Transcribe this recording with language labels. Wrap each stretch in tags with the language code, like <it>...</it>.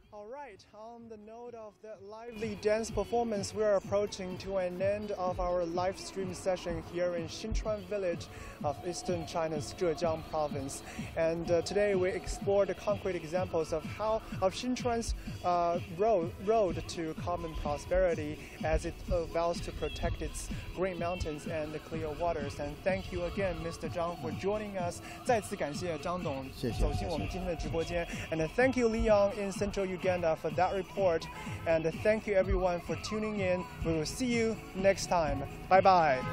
<en>Right, on the note of that lively dance performance, we are approaching to an end of our live stream session here in Xinchuan village of eastern China's Zhejiang province. And today we explore the concrete examples of how of Xinchuan's road to common prosperity as it vows to protect its green mountains and the clear waters. And thank you again, Mr. Zhang, for joining us.</en> <zh>再次感谢张董走进我们今天的直播间.</zh> <en>And thank you, Liang, in central Uganda, for that report, and thank you everyone for tuning in. We will see you next time. Bye bye.</en>